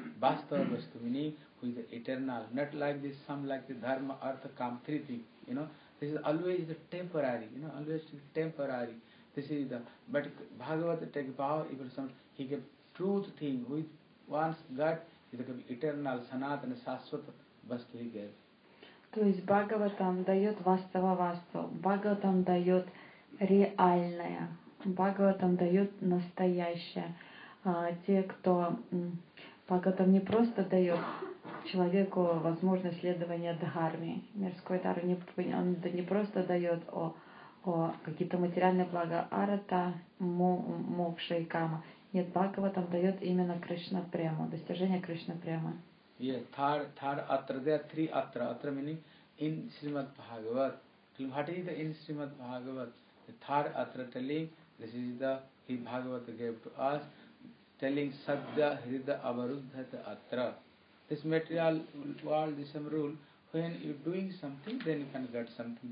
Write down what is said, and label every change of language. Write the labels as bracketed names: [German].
[English] Vastava Vastu meaning who is the eternal, not like this, some like the dharma, artha, kamthri thing, you know. This is always the temporary, you know, always temporary. This is the, but Bhagavata take bhava, even some, he gave truth thing, which once got, is the eternal, sanatana, sasvata, vastu he gave. [Russian] То есть Бхагаватам дает вастава васту, Бхагаватам дает реальное, Бхагаватам дает настоящее. Те, кто Бхагаватам не просто дает человеку возможность следования дхарме, мирской дхарме, он не просто дает о какие-то материальные блага, арата, мокша и кама. Нет, Бхагаватам дает именно Кришна прему, достижение Кришна премы. [English] Yeah, third atra, there are three atra. Atra meaning in Srimad Bhagavat. What is the in Srimad Bhagavat? The third atra telling, this is the, he Bhagavat gave to us, telling Sadya Hrida Avaruddhata Atra. This material world, this some rule, when you're doing something, then you can get something.